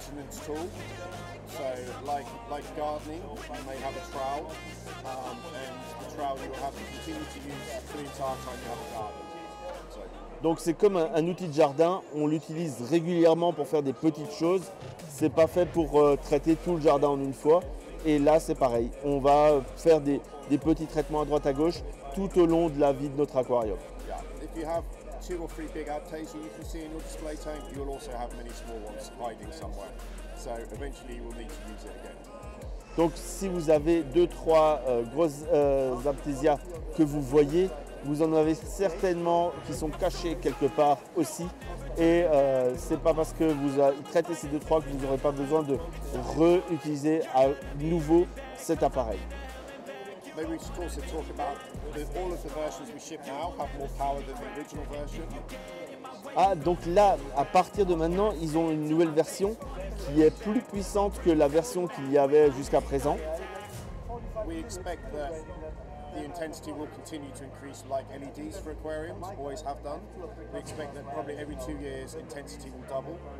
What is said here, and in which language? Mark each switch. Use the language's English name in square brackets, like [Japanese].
[English] So like gardening, I may have a trowel, and the trowel you'll have to continue to use the entire time you have a garden. [French] Donc c'est comme un outil de jardin, on l'utilise régulièrement pour faire des petites choses, c'est pas fait pour traiter tout le jardin en une fois, et là c'est pareil, on va faire des petits traitements à droite à gauche tout au long de la vie de notre aquarium. [English] Yeah. If you have two or three big aptasia you can see in your display tank, you'll also have many small ones hiding somewhere. So eventually you will need to use it again. [French] Donc si vous avez deux, trois grosses aptasia que vous voyez, vous en avez certainement qui sont cachés quelque part aussi. Et c'est pas parce que vous traitez ces deux, trois que vous n'aurez pas besoin de réutiliser à nouveau cet appareil. [English] Maybe we should also talk about that all of the versions we ship now have more power than the original version. [French] Ah, donc là, à partir de maintenant, ils ont une nouvelle version qui est plus puissante que la version qu'il y avait jusqu'à présent. [English] We expect that the intensity will continue to increase like LEDs for aquariums always have done. We expect that probably every 2 years intensity will double.